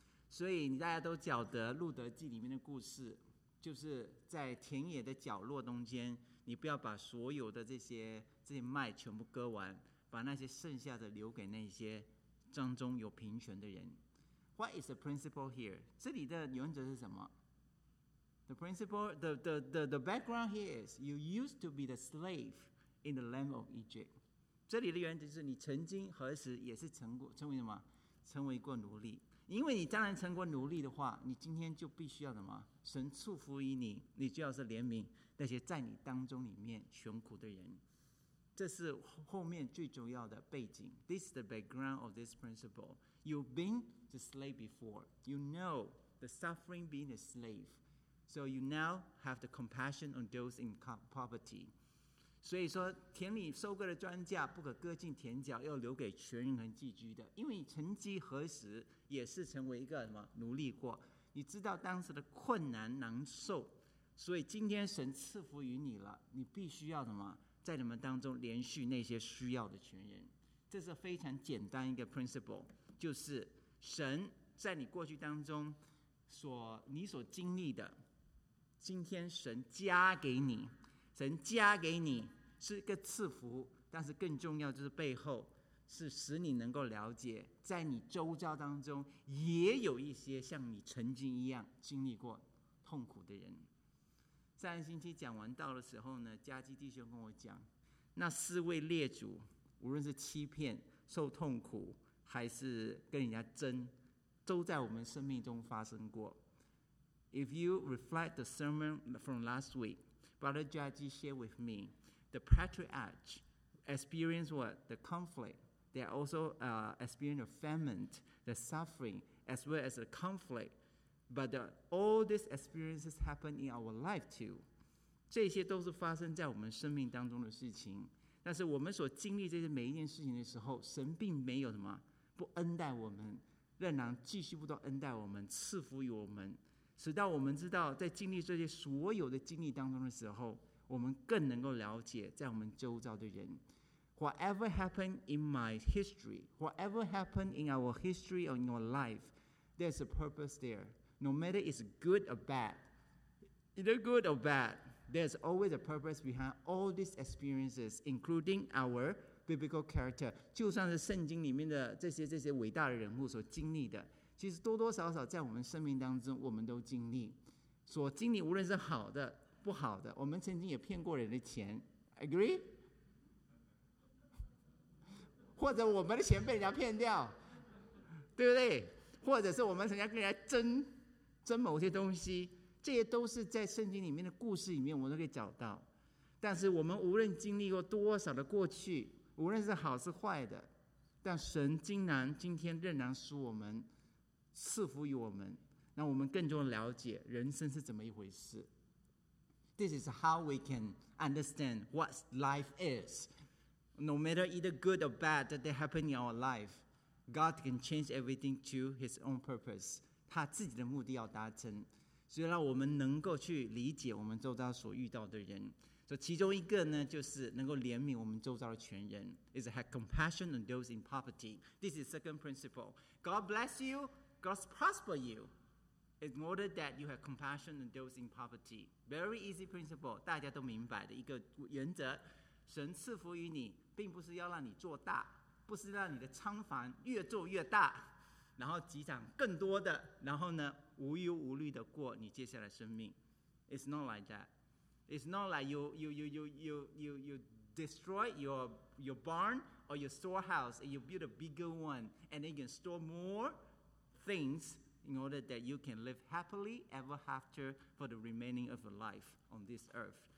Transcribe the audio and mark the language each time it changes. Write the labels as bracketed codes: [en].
[zh] 所以大家都晓得路德记里面的故事，就是在田野的角落中间，你不要把所有的这些麦全部割完，把那些剩下的留给那些当中有贫穷的人。 [en] What is the principle here? [zh] 这里的原则是什么？ [en] The principle, the background here is you used to be the slave in the land of Egypt. [zh] 这里的原则是你曾经何时也是成为什么？成为过奴隶。因为你当然成过奴隶的话，你今天就必须要什么？神祝福于你，你就要是怜悯那些在你当中里面穷苦的人。这是后面最重要的背景。 [en] This is the background of this principle. You've been the slave before. You know the suffering being a slave. So you now have the compassion on those in poverty. [zh] 所以说，田里收割的庄稼不可割尽田角，要留给穷人和寄居的。因为你曾几何时也是成为一个什么奴隶过。你知道当时的困难难受，所以今天神赐福于你了，你必须要什么，在你们当中连续那些需要的穷人。这是非常简单一个 principle， 就是神在你过去当中所你所经历的，今天神加给你，神加给你是一个赐福，但是更重要就是背后是使你能够了解，在你周遭当中也有一些像你曾经一样经历过痛苦的人。上个星期讲完道的时候呢，加基弟兄跟我讲，那四位列祖，无论是欺骗、受痛苦，还是跟人家争，都在我们生命中发生过。 [en] If you reflect the sermon from last week, Brother Jaji shared with me, the patriarch experienced what? The conflict. They also experienced a famine, the suffering, as well as a conflict. But all these experiences happen in our life too. [zh] 这些都是发生在我们生命当中的事情。但是我们所经历这些每一件事情的时候，神并没有什么不恩待我们，仍然继续不断恩待我们，赐福于我们，使到我们知道，在经历这些所有的经历当中的时候，我们更能够了解在我们周遭的人。 [en] Whatever happened in my history, whatever happened in our history or in your life, there's a purpose there. No matter it's good or bad, either good or bad, there's always a purpose behind all these experiences, including our biblical character. [zh] 就算是圣经里面的这些伟大的人物所经历的，其实多多少少在我们生命当中我们都经历，所经历无论是好的不好的，我们曾经也骗过人的钱， [en] agree? [zh] 或者我们的钱被人家骗掉，对不对？或者是我们曾经跟人家争某些东西，这些都是在圣经里面的故事里面我们都可以找到。但是我们无论经历过多少的过去，无论是好是坏的，但神竟然今天仍然使我们赐福于我们，让我们更重要了解人生是怎么一回事。 [en] This is how we can understand what life is. No matter either good or bad that they happen in our life, God can change everything to His own purpose. [zh] 他自己的目的要达成，所以让我们能够去理解我们周遭所遇到的人。所以其中一个呢，就是能够怜悯我们周遭的全人。 [en] Is have compassion on those in poverty. This is second principle. God bless you. God prosper you. In order that you have compassion on those in poverty. Very easy principle, [zh] 大家都明白的一个原则。神赐福于你，并不是要让你做大，不是让你的仓房越做越大，然后积攒更多的，然后呢，无忧无虑的过你接下来生命。 [en] It's not like that. It's not like you destroy your barn or your storehouse and you build a bigger one and then you can store more things. In order that you can live happily ever after for the remaining of your life on this earth.